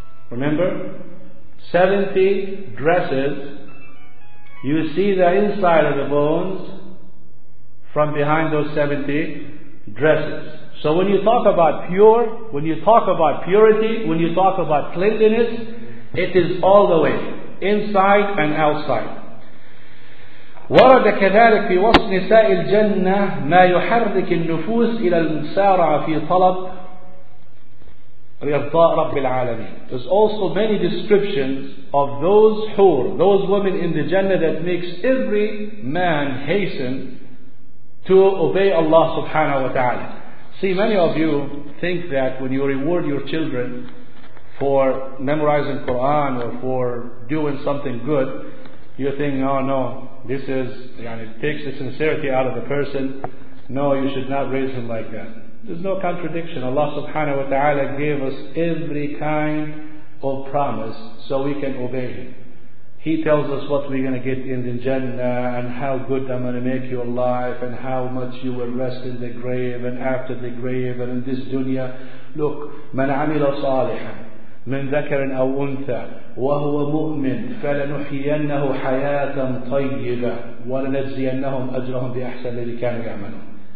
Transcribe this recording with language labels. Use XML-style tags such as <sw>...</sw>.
<en>Remember, 70 dresses, you see the inside of the bones from behind those 70 dresses. So when you talk about pure, when you talk about purity, when you talk about cleanliness, it is all the way, inside and outside.</en> <ar>ورد كذلك في وصف نساء الجنة ما يحرك النفوس إلى المسارعة في طلب رضا رب العالمين.</ar> <en>There's also many descriptions of those hur, those women in the Jannah, that makes every man hasten to obey Allah subhanahu wa ta'ala. See, many of you think that when you reward your children for memorizing Quran or for doing something good, you think, oh no, this is, and it takes the sincerity out of the person. No, you should not raise him like that. There's no contradiction. Allah subhanahu wa ta'ala gave us every kind of promise so we can obey him. He tells us what we're going to get in the Jannah and how good I'm going to make your life and how much you will rest in the grave and after the grave and in this dunya. Look,</en> <ar>man amila salihan من ذكر أو أنثى وهو مؤمن فلنحيينه حياة طيبة ولنجزينهم أجرهم بأحسن الذي كانوا يعملون.</ar>